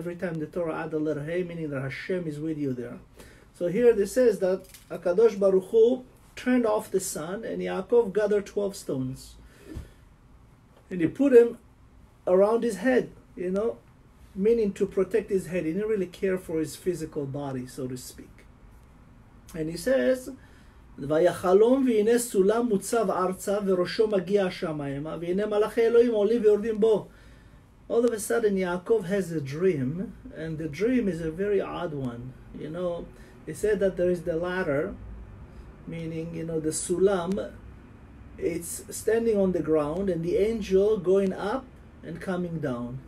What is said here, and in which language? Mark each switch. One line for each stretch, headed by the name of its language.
English: Every time the Torah add the letter Hey, meaning that Hashem is with you there. So here this says that HaKadosh Baruch Hu turned off the sun and Yaakov gathered 12 stones. And he put them around his head, you know, meaning to protect his head. He didn't really care for his physical body, so to speak.
Hebrew: And he says, וַיַּחֲלֹם וְהִנֵּה סֻלָּם מֻצָב אַרְצָה וְרֹשׁוֹ מַגִּיעַ שָׁמַיִמָה וְהִנֵּה מַלְאָכֵי אֱלֹהִים עֹלִים וְיוֹרְדִים בּוֹ.
English: All of a sudden, Yaakov has a dream, and the dream is a very odd one. You know, he said that there is the ladder, meaning, you know, the sulam, it's standing on the ground, and the angel going up and coming down.